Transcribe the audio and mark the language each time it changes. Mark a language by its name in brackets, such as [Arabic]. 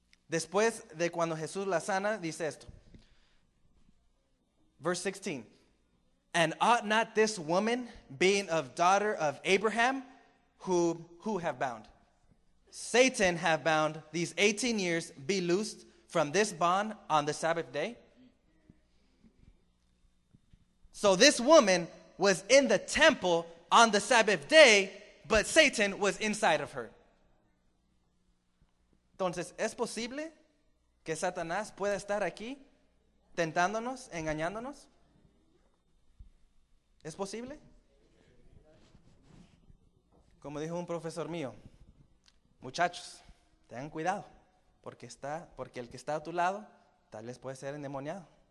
[Spanish] Después de cuando Jesús la sana, dice esto. [English] Verse 16. And ought not this woman, being of daughter of Abraham, who have bound? Satan have bound these 18 years, be loosed from this bond on the Sabbath day. So this woman was in the temple on the Sabbath day, but Satan was inside of her. [Spanish] Entonces, ¿es posible que Satanás pueda estar aquí tentándonos, engañándonos? ¿Es posible? Como dijo un profesor mío, muchachos, tengan cuidado, porque el que está a tu lado tal vez puede ser endemoniado.